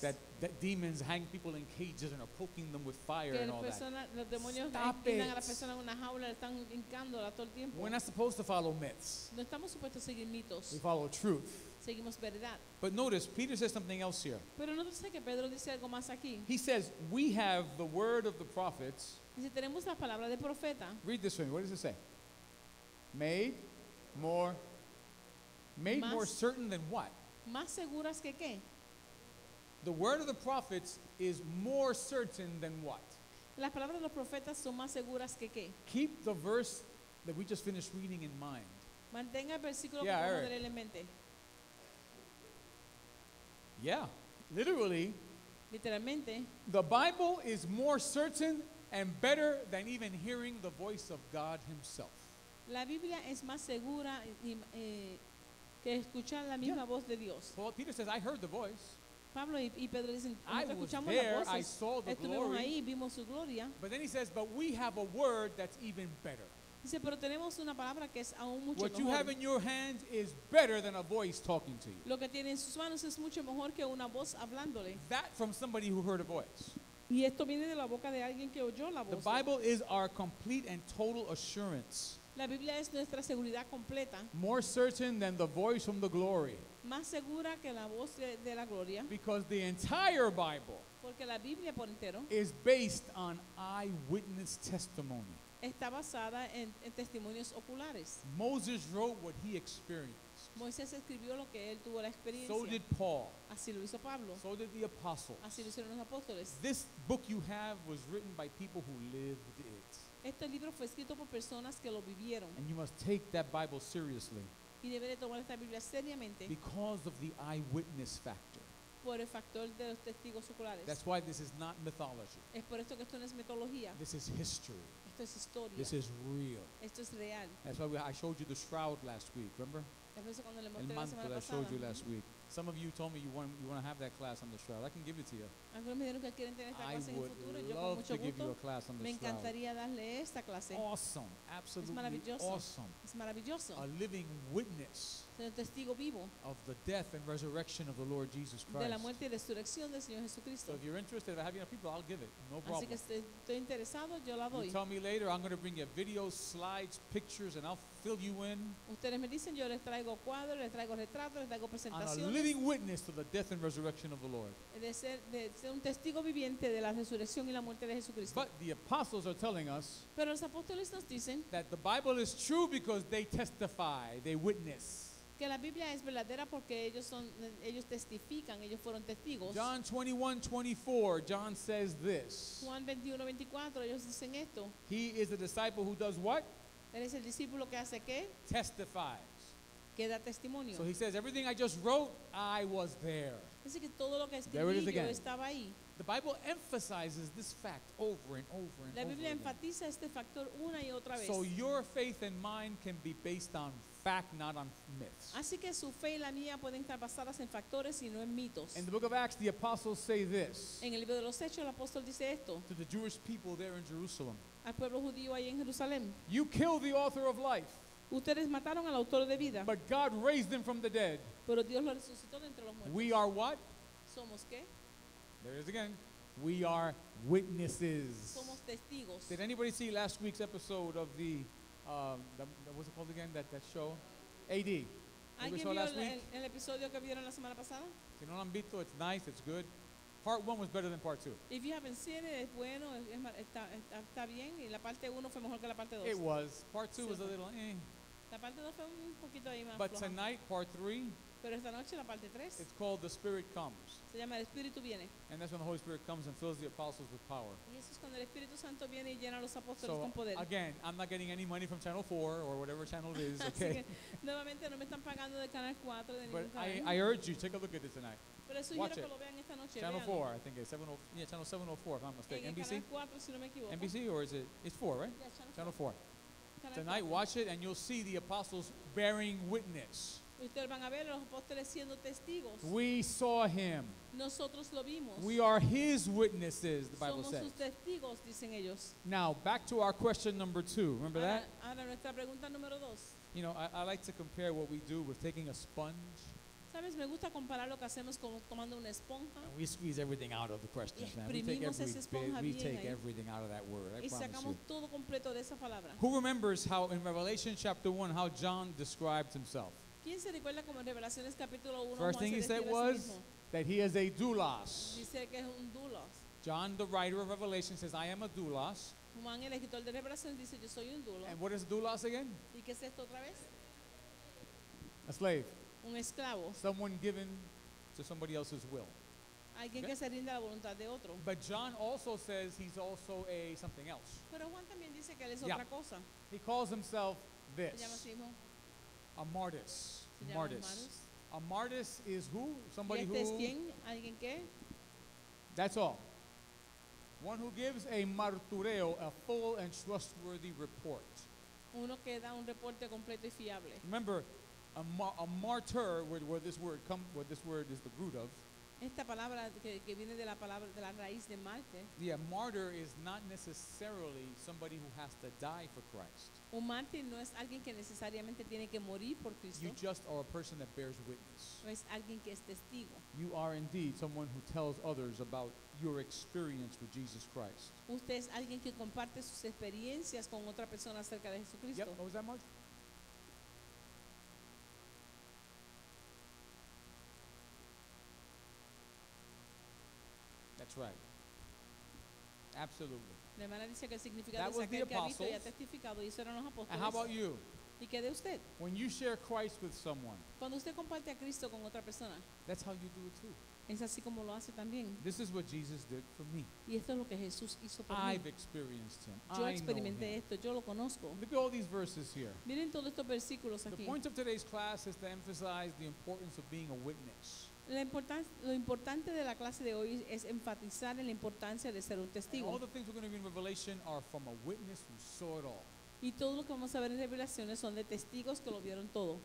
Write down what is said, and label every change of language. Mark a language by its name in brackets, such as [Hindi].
[English] That demons hang people in cages and are poking them with fire [Spanish] que [English] and all [Spanish] persona, [English] that. [Spanish] Los demonios tiran a la persona en una jaula, están hincándola todo el tiempo. [English] We're not supposed to follow myths. [Spanish] No estamos supuestos a seguir mitos. [English] We follow truth. [Spanish] Seguimos verdad. [English] But notice, Peter says something else here. [Spanish] Pero notice que Pedro dice algo más aquí. [English] He says, we have the word of the prophets. [Spanish] Dice, tenemos la palabra del profeta. [English] Read this for me. What does it say? Made more. Made [Spanish] más, [English] more certain than what? [Spanish] Más seguras que qué? [English] The word of the prophets is more certain than what? [Spanish] Las palabras de los profetas son más seguras que qué? [English] Keep the verse that we just finished reading in mind. [Spanish] Mantenga el versículo que vamos a tener en mente. [English] Yeah, literally. [Spanish] Literalmente. [English] The Bible is more certain and better than even hearing the voice of God Himself. [Spanish] La Biblia es más segura y que escuchar la misma voz de Dios. [English] Well, Peter says, I heard the voice. [Spanish] Pablo y Pedro dicen, [English] I was there, [Spanish] voces, [English] I saw the glory. [Spanish] Ahí, vimos su gloria. [English] But then he says, but we have a word that's even better. [Spanish] Dice, pero tenemos una palabra que es aún mucho [English] what [Spanish] mejor. [English] What you have in your hand is better than a voice talking to you. [Spanish] Lo que tiene en sus manos es mucho mejor que una voz hablándole. [English] That from somebody who heard a voice. [Spanish] Y esto viene de la boca de alguien que oyó la voz. [English] The Bible is our complete and total assurance. [Spanish] La Biblia es nuestra seguridad completa. [English] More certain than the voice from the glory. [Spanish] Más segura que la voz de la gloria. [English] Because the entire Bible. [Spanish] Porque la Biblia por entero. [English] Is based on eyewitness testimony. [Spanish] Está basada en testimonios oculares. [English] Moses wrote what he experienced. [Spanish] Moisés escribió lo que él tuvo la experiencia. [English] So did Paul. [Spanish] Así lo hizo Pablo. [English] So did the apostles. [Spanish] Así lo hicieron los apóstoles. [English] This book you have was written by people who lived it. [Spanish] Este libro fue escrito por personas que lo vivieron. [English] And you must take that Bible seriously. [Spanish] Y debe de tomar esta Biblia seriamente. [English] Because of the eyewitness factor. [Spanish] Por el factor de los testigos oculares. [English] That's why this is not mythology. [Spanish] Es por esto que esto no es mitología. [English] This is history. [Spanish] Esto es historia. [English] This is real. [Spanish] Esto es real. [English] That's why I showed you the shroud last week, remember? [Spanish] El manto [English] that I showed you last week. Some of you told me you want to have that class on the shroud. I can give it to you. I would love to give you a class on the shroud. Awesome. Absolutely awesome. [Spanish] Es maravilloso. [English] A living witness of the death and resurrection of the Lord Jesus Christ. [Spanish] De la muerte y resurrección del Señor Jesucristo. [English] So if you're interested, if I have enough people, I'll give it. No problem. [Spanish] Así que estoy interesado, yo la doy. [English] You tell me later, I'm going to bring you videos, slides, pictures, and I'll fill you in. [Spanish] Ustedes me dicen, yo les traigo cuadros, les traigo retratos, les traigo presentaciones. [English] A living witness to the death and resurrection of the Lord. [Spanish] De ser un testigo viviente de la resurrección y la muerte de Jesucristo. [English] But the apostles are telling us. [Spanish] Pero los apóstoles nos dicen [English] that the Bible is true because they testify, they witness. [Spanish] que la Biblia es verdadera porque ellos son, ellos testifican, ellos fueron testigos. [English] John 21:24, John says this. [Spanish] Juan 21:24, ellos dicen esto. [English] He is a disciple who does what? [Spanish] Él es el discípulo que hace qué? [English] Testifies. [Spanish] Que da testimonio. [English] So he says, everything I just wrote, I was there. [Spanish] Dice que todo lo que escribí, yo estaba ahí. [English] There it is again. The Bible emphasizes this fact over and over and [Spanish] la [English] over [Spanish] Biblia enfatiza [English] again. [Spanish] Este factor una y otra vez. [English] So your faith and mine can be based on fact, not on myths. [Spanish] Así que su fe y la mía pueden estar basadas en factores y no en mitos. [English] In the book of Acts, the apostles say this. [Spanish] En el libro de los hechos, el apóstol dice esto. [English] To the Jewish people there in Jerusalem. [Spanish] Al pueblo judío ahí en Jerusalén. [English] You killed the author of life. [Spanish] Ustedes mataron al autor de vida. [English] But God raised him from the dead. [Spanish] Pero Dios lo resucitó de entre los muertos. [English] We are what? [Spanish] Somos qué? [English] There it is again. We are witnesses. [Spanish] Somos testigos. [English] Did anybody see last week's episode of the what's it called again? That show? AD. [Spanish] ¿Alguien vio el episodio que vieron la semana pasada? Si no lo han visto, [English] it's nice, it's good. Part one was better than part two. If you haven't seen it, [Spanish] es bueno, está bien. Y la parte uno fue mejor que la parte dos. [English] It was. Part two was a little, [Spanish] La parte dos fue un poquito ahí más [English] But [Spanish] flojo. [English] Tonight, part three, [Spanish] pero esta noche, la parte tres, [English] it's called The Spirit Comes. [Spanish] Se llama El Espíritu Viene. [English] And that's when the Holy Spirit comes and fills the apostles with power. [Spanish] Y eso es cuando el Espíritu Santo viene y llena a los apóstoles con poder. [English] So, again, I'm not getting any money from Channel 4 or whatever channel it is, okay? [Spanish] Nuevamente, no me están pagando de Canal 4 de ningún [English] But [Spanish] canal. [English] I urge you, take a look at it tonight. [Spanish] Pero sugiero [English] Watch [Spanish] que [English] it. [Spanish] Lo vean esta noche. [English] Channel [Spanish] Veanlo. [English] 4, I think it's 70, yeah, Channel 704, if I'm not mistaken. NBC? [Spanish] Canal 4, si no me equivoco. [English] NBC or is it? It's 4, right? Yeah, Channel, Channel 4. Tonight, watch it, and you'll see the apostles bearing witness. [Spanish] Ustedes van a ver a los apóstoles siendo testigos. [English] We saw him. [Spanish] Nosotros lo vimos. [English] We are his witnesses, the Bible [Spanish] Somos [English] says. [Spanish] Somos sus testigos, dicen ellos. [English] Now, back to our question number two. Remember [Spanish] ahora, [English] that? [Spanish] Ahora nuestra pregunta número dos. [English] You know, I like to compare what we do with taking a sponge. [Spanish] ¿Sabes? Me gusta comparar lo que hacemos con tomando una esponja. [English] And we squeeze everything out of the question, man. We take every bit, we take everything out of that word, I promise you. [Spanish] Y sacamos todo completo de esa palabra. [English] Who remembers how in Revelation chapter 1, how John describes himself? [Spanish] ¿Quién se recuerda como en Revelaciones capítulo 1? [English] First thing he said was that he is a doulos. [Spanish] Dice que es un doulos. [English] John, the writer of Revelation, says, I am a doulos. [Spanish] Juan, el escritor de Revelaciones, dice, yo soy un doulos. [English] And what is doulos again? [Spanish] ¿Y qué es esto otra vez? [English] A slave. [Spanish] Un esclavo. [English] Someone given to somebody else's will. [Spanish] Alguien que se rinde a la voluntad de otro. [English] But John also says he's also a something else. [Spanish] Pero Juan también dice que él es otra cosa. [English] He calls himself this. [Spanish] Se llama Simón. [English] A martis. [Spanish] Martis. [English] A martis is who? Somebody [Spanish] este [English] who. [Spanish] Es quien? ¿Alguien qué? [English] That's all. One who gives a martureo, a full and trustworthy report. [Spanish] Uno que da un reporte completo y fiable. [English] Remember, a martyr, where this word comes, where this word is the root of. [Spanish] Esta palabra que viene de la palabra de la raíz de Marte. [English] Yeah, martyr is not necessarily somebody who has to die for Christ. [Spanish] Un mártir no es alguien que necesariamente tiene que morir por Cristo. [English] You just are a person that bears witness. [Spanish] No es alguien que es testigo. [English] You are indeed someone who tells others about your experience with Jesus Christ. [Spanish] Usted es alguien que comparte sus experiencias con otra persona acerca de Jesucristo. [English] Yep. What was that, Mark? That's right. Absolutely. That was the apostles. And how about you? When you share Christ with someone, that's how you do it too. [Spanish] Es así como lo hace también. [English] This is what Jesus did for me. [Spanish] Y esto es lo que Jesús hizo por [English] I've [Spanish] mí. [English] Experienced him. [Spanish] Yo experimenté esto. Yo lo conozco. [English] Look at all these verses here. [Spanish] Miren todos estos versículos aquí. [English] The point of today's class is to emphasize the importance of being a witness. [Spanish] Lo importante de la clase de hoy es enfatizar en la importancia de ser un testigo. [English] And all the things we're going to read in Revelation are from a witness who saw it all. [Spanish] Y todo lo que vamos a ver en Revelaciones son de testigos que lo vieron todo.